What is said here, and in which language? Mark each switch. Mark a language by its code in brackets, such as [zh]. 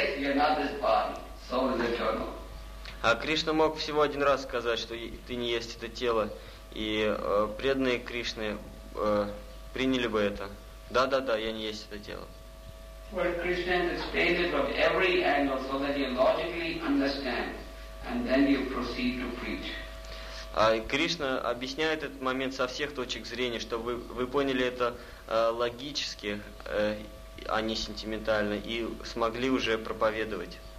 [ru] А Кришна мог всего один раз сказать, что ты не есть это тело, и преданные Кришны приняли бы это. Да-да-да, я не есть это тело. [en] Where Krishna has explained it from every angle so that you logically understand, and then you proceed to preach. [ru] Кришна объясняет этот момент со всех точек зрения, чтобы вы поняли это логически, а не сентиментально, и смогли уже проповедовать.